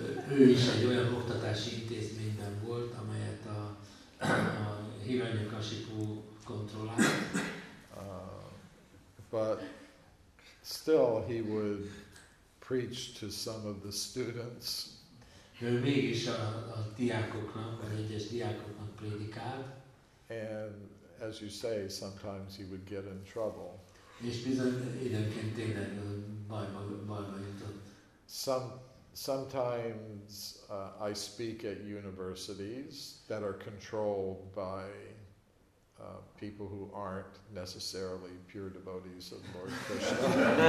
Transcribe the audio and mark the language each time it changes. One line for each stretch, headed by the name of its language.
Hungarian: Ő is egy olyan oktatási intézményben volt, amelyet a Hiranyakashipu kontrollált.
English: But still he would preach to some of the students.
Hungarian: Ő mégis a diákoknak, az egyes diákoknak prédikált.
English: And as you say, sometimes he would get in trouble.
Hungarian: És bizony időnként tényleg bajba jutott.
English: Sometimes I speak at universities that are controlled by people who aren't necessarily pure devotees of Lord Krishna.